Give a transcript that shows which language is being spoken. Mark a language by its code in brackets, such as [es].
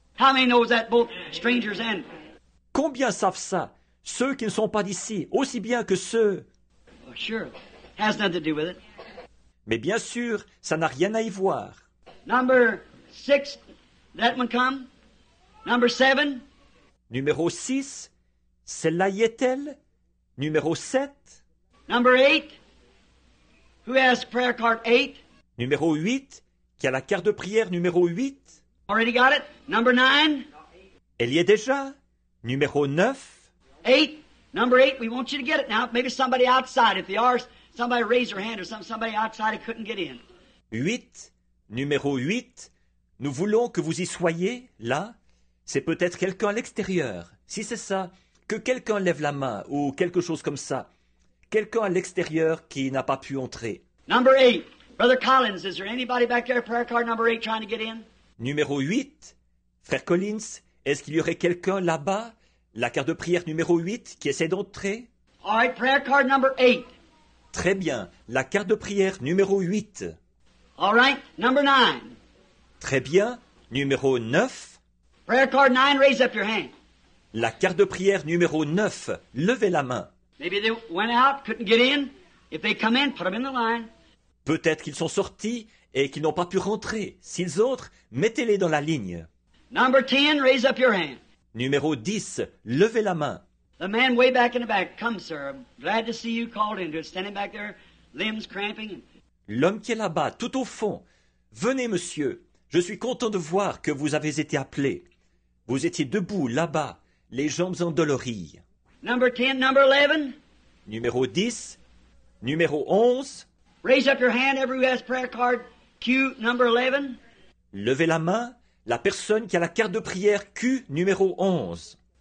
[en] How many knows that both strangers and? [fr] Combien savent ça, ceux qui ne sont pas d'ici, aussi bien que ceux? [en] Well, sure, has nothing to do with it. [fr] Mais bien sûr, ça n'a rien à y voir. [en] Number six, that one come. Number seven. [fr] Numéro 6, celle-là y est-elle? Numéro 7. [en] Number 8. Who has prayer card 8? [fr] Numéro 8. Qui a la carte de prière numéro 8? [en] Already got it. Number 9. [fr] Il y a déjà numéro 9. [en] 8. Number 8, we want you to get it now. Maybe somebody outside, if there are somebody raise your hand or somebody outside who couldn't get in. [fr] 8. Numéro 8. Nous voulons que vous y soyez, là. C'est peut-être quelqu'un à l'extérieur. Si c'est ça, que quelqu'un lève la main ou quelque chose comme ça. Quelqu'un à l'extérieur qui n'a pas pu entrer. [en] Number 8. Brother Collins, is there anybody back there, prayer card number 8, trying to get in? [fr] Numéro 8. Frère Collins, est-ce qu'il y aurait quelqu'un là-bas, la carte de prière numéro 8, qui essaie d'entrer? [en] All right, prayer card number 8. [fr] Très bien. La carte de prière numéro 8. [en] All right, number 9. [fr] Très bien. Numéro 9. [en] Prayer card 9, raise up your hand. [fr] La carte de prière numéro 9. Levez la main. [en] Maybe they went out, couldn't get in. If they come in, put them in the line. [fr] Peut-être qu'ils sont sortis et qu'ils n'ont pas pu rentrer. S'ils entrent, mettez-les dans la ligne. [en] Number 10, raise up your hand. [fr] Numéro 10, levez la main. [en] The man way back in the back, come sir, I'm glad to see you called in. He's standing back there, limbs cramping. [fr] L'homme qui est là-bas, tout au fond. Venez monsieur, je suis content de voir que vous avez été appelé. Vous étiez debout là-bas, les jambes endolories. [en] Number 10, number 11. [fr] Numéro 10, numéro 11. [en] Raise up your hand, everyone has prayer card, Q number 11. [fr] Levez la main, la personne qui a la carte de prière Q numéro 11.